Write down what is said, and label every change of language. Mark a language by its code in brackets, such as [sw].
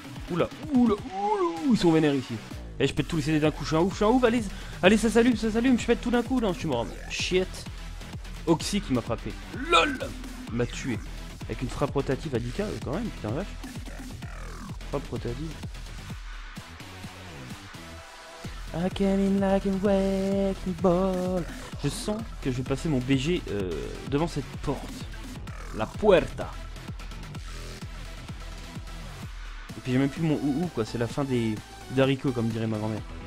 [fr] Oula, oula, oula, ils sont vénères ici. Eh, je pète tous les CD d'un coup, je suis un ouf, allez, allez, ça s'allume, je pète tout d'un coup, non, je suis mort, mais... shit. Oxy qui m'a frappé, lol, m'a tué, avec une frappe rotative à 10k, quand même, putain, vache. Frappe rotative. [en] I came in like a wrecking ball. [fr] Je sens que je vais passer mon BG devant cette porte, la puerta. Et puis j'ai même plus mon ou quoi, c'est la fin des... d'haricots, comme dirait ma grand-mère.